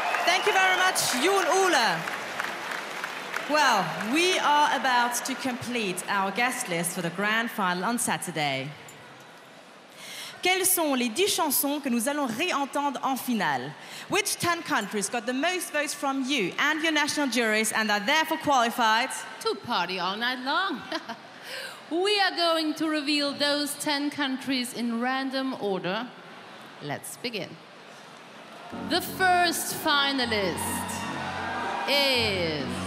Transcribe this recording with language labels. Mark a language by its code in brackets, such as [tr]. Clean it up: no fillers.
[en] Thank you very much, Jon Ole. Well, we are about to complete our guest list for the grand final on Saturday. [fr] Quelles sont les 10 chansons que nous allons réentendre en finale? [en] Which 10 countries got the most votes from you and your national juries and are therefore qualified to party all night long? We are going to reveal those 10 countries in random order. Let's begin. The first finalist is...